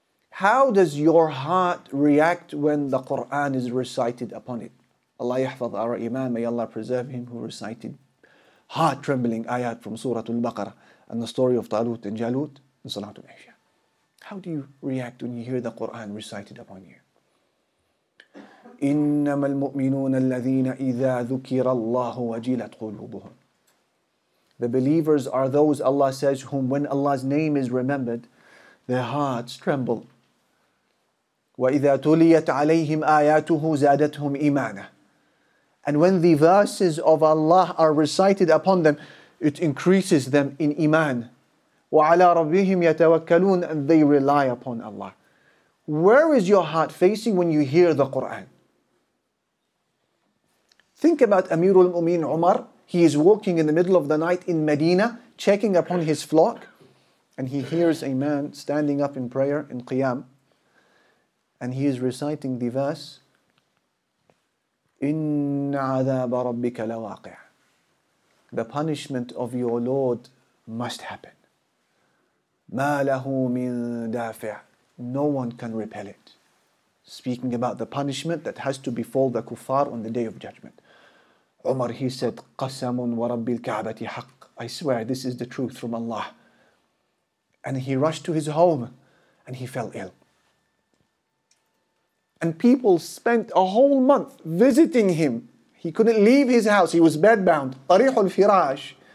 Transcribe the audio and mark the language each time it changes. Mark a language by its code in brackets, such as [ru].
[en] How does your heart react when the Qur'an is recited upon it? Allah yahfaz our imam, may Allah preserve him who recited heart-trembling ayat from Surah Al-Baqarah and the story of Talut and Jalut in Salatul Isha. How do you react when you hear the Qur'an recited upon you? [ar] إنما المؤمنون الذين إذا ذكر الله وجلت قلوبهم. [en] The believers are those, Allah says, whom when Allah's name is remembered, their hearts tremble. [ar] وَإِذَا تُلِيَتْ عَلَيْهِمْ آيَاتُهُ زَادَتْهُمْ إِيمَانًا. [en] And when the verses of Allah are recited upon them, it increases them in iman. [ar] وَعَلَىٰ رَبِّهِمْ يَتَوَكَّلُونَ. [en] And they rely upon Allah. Where is your heart facing when you hear the Qur'an? Think about Amirul Mumin Umar. He is walking in the middle of the night in Medina, checking upon his flock. And he hears a man standing up in prayer, in Qiyam. And he is reciting the verse, [ar] إِنَّ عَذَابَ رَبِّكَ لَوَاقِعَ. [en] The punishment of your Lord must happen. [ar] مَا لَهُ مِن دَافِعَ. [en] No one can repel it. Speaking about the punishment that has to befall the kuffar on the Day of Judgment. Umar, he said, [ar] قَسَمٌ وَرَبِّ الْكَعْبَةِ حَقٍّ. [en] I swear, this is the truth from Allah. And he rushed to his home and he fell ill. And people spent a whole month visiting him. He couldn't leave his house. He was bedbound. [ar] طريح الفراش.